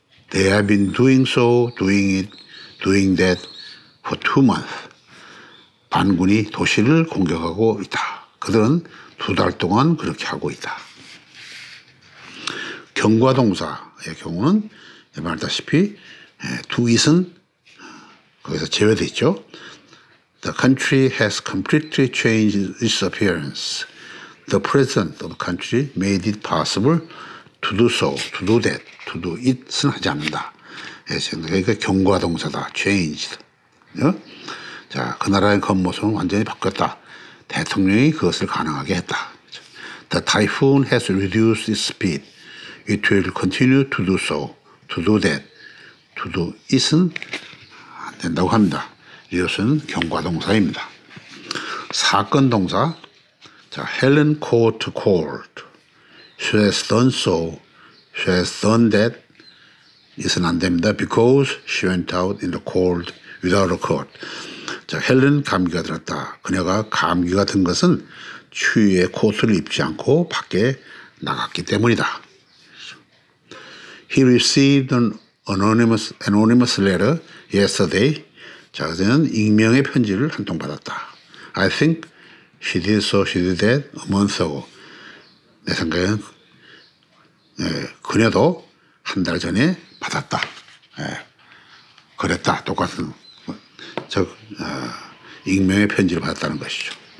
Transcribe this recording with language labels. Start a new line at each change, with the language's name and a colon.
English: They have been doing so, doing it, doing that for 2 months.
Korean: 반군이 도시를 공격하고 있다. 그들은 두 달 동안 그렇게 하고 있다. 경과동사의 경우는 말했다시피 do it은 거기서 제외되어 있죠.
English: The country has completely changed its appearance. The president of the country made it possible to do so, to do that, to do it은
Korean: 하지 않는다. 그러니까 경과동사다. Changed. 자, 그 나라의 겉모습은 완전히 바뀌었다. 대통령이 그것을 가능하게 했다.
English: The typhoon has reduced its speed. It will continue to do so, to do that, to do it은
Korean: 안 된다고 합니다. 이것은 경과동사입니다. 사건동사.
English: 자, Helen caught a cold. She has done so. She has done that. It은
Korean: 안 됩니다.
English: Because she went out in the cold without a coat.
Korean: 자, 헬렌 감기가 들었다. 그녀가 감기가 든 것은 추위에 코트를 입지 않고 밖에 나갔기 때문이다.
English: He received an anonymous letter yesterday.
Korean: 자, 그녀는 익명의 편지를 한 통 받았다.
English: I think she did so, she did that a month ago.
Korean: 내 생각에는 그녀도 한 달 전에 받았다. 그랬다. 똑같은. 즉 익명의 편지를 받았다는 것이죠.